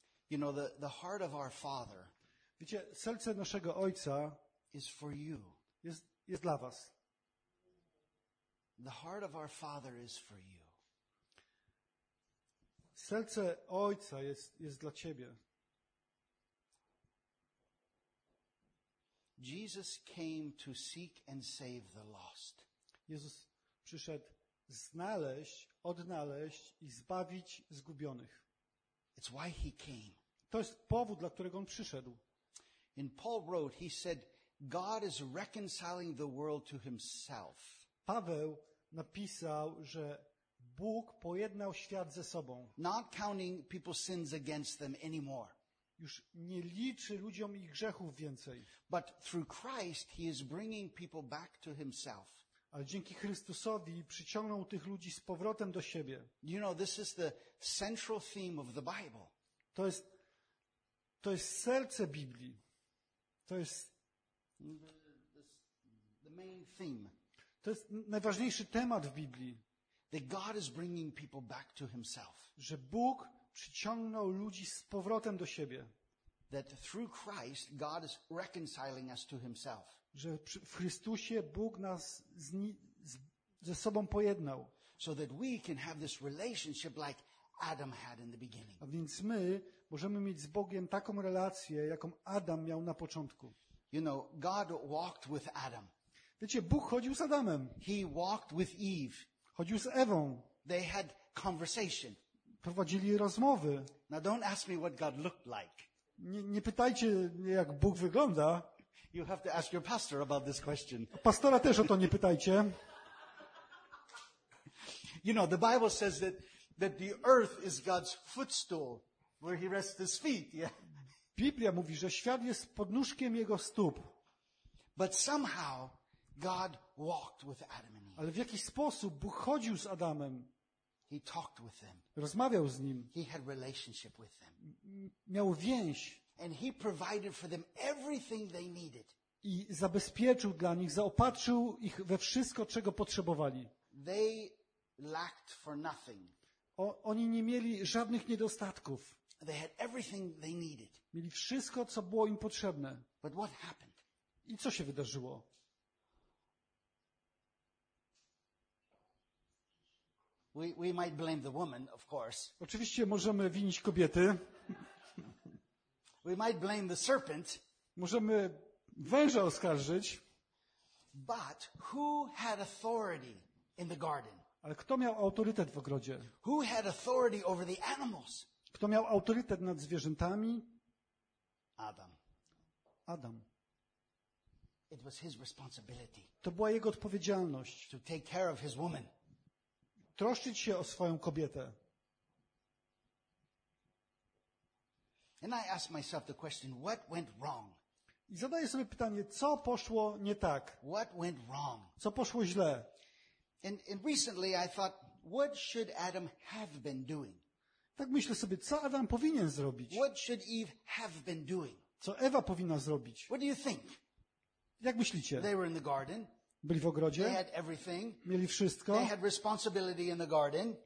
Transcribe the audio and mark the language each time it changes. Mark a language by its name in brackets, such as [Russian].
[English] You know, the heart of our Father. [Polish] Wiecie, serce naszego Ojca [English] is for you. [Polish] Jest dla was. [English] The heart of our Father is for you. [Polish] Serce Ojca jest dla ciebie. [English] Jesus came to seek and save the lost. [Polish] Jezus przyszedł znaleźć, odnaleźć i zbawić zgubionych. [English] It's why he came. [Polish] To jest powód, dla którego on przyszedł. [English] In Paul wrote, he said, God is reconciling the world to himself. [Polish] Paweł napisał, że Bóg pojednał świat ze sobą. [English] Not counting people's sins against them anymore. [Polish] Już nie liczy ludziom ich grzechów więcej. [English] But through Christ he is bringing people back to himself. [Polish] Ale dzięki Chrystusowi przyciągnął tych ludzi z powrotem do siebie. [English] You know, this is the central theme of the Bible. [Polish] To jest serce Biblii. To jest [English] the main theme. [Polish] To jest najważniejszy temat w Biblii. [English] That God is bringing people back to himself. [Polish] Że Bóg przyciągnął ludzi z powrotem do siebie. [English] That through Christ God is reconciling us to himself. [Polish] Że w Chrystusie Bóg nas ze sobą pojednał. [English] So that we can have this relationship like Adam had in the beginning. [Polish] A więc my możemy mieć z Bogiem taką relację, jaką Adam miał na początku. [English] You know, God walked with Adam. [Polish] Wiecie, Bóg chodził z Adamem. [English] He walked with Eve. [Polish] Chodził z Ewą. [English] They had conversation. [Polish] Prowadzili rozmowy. [English] Now don't ask me what God looked like. [Polish] Nie pytajcie, jak Bóg wygląda. [English] You have to ask your pastor about this question. [Polish] Pastora też o to nie pytajcie. [English] You know, the Bible says that the earth is God's footstool where he rests his feet. Yeah. [Polish] Biblia mówi, że świat jest podnóżkiem jego stóp. [English] But somehow God walked with Adam and Eve. [Polish] Ale w jakiś sposób Bóg chodził z Adamem. [English] He talked with them. [Polish] Rozmawiał z nim. [English] He had relationship with them. [Polish] Miał więź. [English] And he provided for them everything they needed. [Polish] I zabezpieczył dla nich, zaopatrzył ich we wszystko, czego potrzebowali. [English] They lacked for nothing. [Polish] Oni nie mieli żadnych niedostatków. [English] They had everything they needed. [Polish] Mieli wszystko, co było im potrzebne. [English] But what happened? [Polish] I co się wydarzyło? [English] We might blame the woman, of course. [Polish] Oczywiście możemy winić kobiety. [English] We might blame the serpent. [Polish] Możemy węża oskarżyć. [English] But who had authority in the garden? [Polish] Ale kto miał autorytet w ogrodzie? [English] Who had authority over the animals? [Polish] Kto miał autorytet nad zwierzętami? [English] Adam. [Polish] Adam. [English] It was his responsibility. [Polish] To była jego odpowiedzialność. [English] To take care of his woman. [Polish] Troszczyć się o swoją kobietę. [English] And I ask myself the question, what went wrong? [Polish] I zadaję sobie pytanie, co poszło nie tak? [English] What went wrong? [Polish] Co poszło źle? [English] And recently I thought, what should Adam have been doing? [Polish] Tak myślę sobie, co Adam powinien zrobić? [English] What should Eve have been doing? [Polish] Co Ewa powinna zrobić? [English] What do you think? [Polish] Jak myślicie? [English] They were in the garden. [Polish] Byli w ogrodzie. [English] They had everything. [Polish] Mieli wszystko. [English] They had responsibility in the garden.